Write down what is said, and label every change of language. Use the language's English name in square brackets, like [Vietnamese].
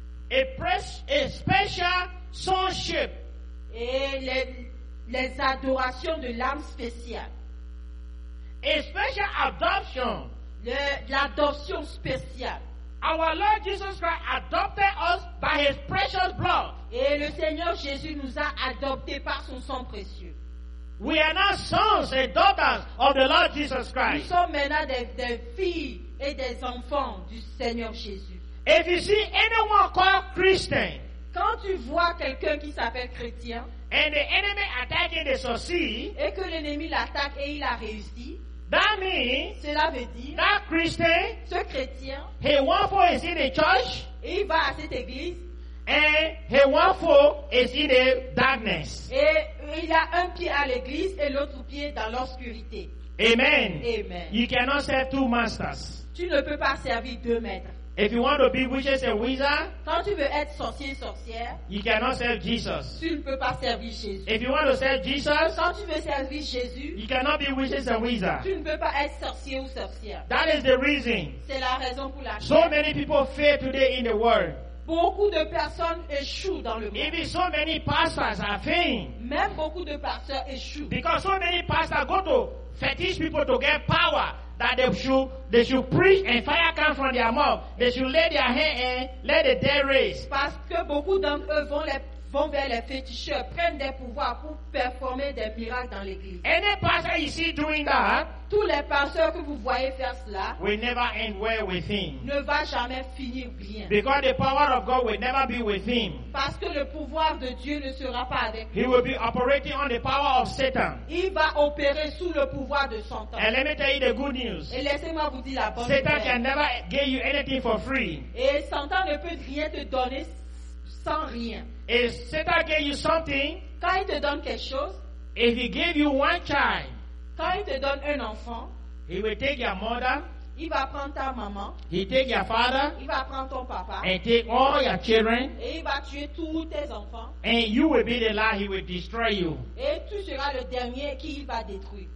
[English] A special sonship. [French] Et les adorations de l'âme spéciale. [English] A special adoption. [French] L'adoption spéciale. [English] Our Lord Jesus Christ adopted us by his precious blood. [French] Et le Seigneur Jésus nous a adoptés par son sang précieux. [English] We are now sons and daughters of the Lord Jesus Christ. [French] Nous sommes maintenant des filles et des enfants du Seigneur Jésus. [English] If you see anyone called Christian, [French] quand tu vois quelqu'un qui s'appelle chrétien, [English] and the enemy attacking the sorcier, [French] et que l'ennemi l'attaque et il a réussi, [English] that means, [French] cela veut dire, [English] that Christian, [French] ce chrétien, [English] he want for is in the church, [French] et il va à cette église, [English] and he want for is in the darkness, [French] et il a un pied à l'église et l'autre pied dans l'obscurité. [English] Amen. [French] Amen. [English] You cannot serve two masters. [French] Tu ne peux pas servir deux maîtres. [English] If you want to be witches and wizards, [French] quand tu veux être sorcier et sorcière, [English] you cannot serve Jesus. [French] Tu ne peux pas servir Jésus. [English] If you want to serve Jesus, [French] quand tu veux servir Jésus, [English] you cannot be witches and wizards. [French] Tu ne peux pas être sorcier ou sorcière. [English] That is the reason. [French] C'est la raison pour laquelle. [English] So many people fail today in the world. [French] Beaucoup de personnes échouent dans le monde. [English] Even so many pastors are failing. [French] Même beaucoup de pasteurs échouent. [English] Because so many pastors go to fetish people to get power. That they should preach and fire come from their mouth. They should lay their hand and let the dead raise. [French] Parce que beaucoup d'entre eux vont vers les féticheurs, prennent des pouvoirs pour performer des miracles dans l'église. [English] Any pastor you see doing that, [French] tous les pasteurs que vous voyez faire cela, [English] will never end well with him. [French] Ne va jamais finir bien. [English] Because the power of God will never be with him. [French] Parce que le pouvoir de Dieu ne sera pas avec lui. [English] He will be operating on the power of Satan. [French] Il va opérer sous le pouvoir de Satan. [English] And let me tell you the good news. [French] Et laissez-moi vous dire la bonne nouvelle. [English] Satan can never get you anything for free. [French] Et Satan ne peut rien te donner sans rien. [English] If Satan gave you something, [French] quand il te donne quelque chose, [English] if he gave you one child, [French] quand il te donne un enfant, [English] he will take your mother, [French] il va prendre ta maman, [English] he take your father, [French] il va prendre ton papa, [English] and take all your children, [French] et il va tuer tous tes enfants, [English] and you will be the last, he will destroy you. [French] Et tu seras le dernier qu'il va détruire.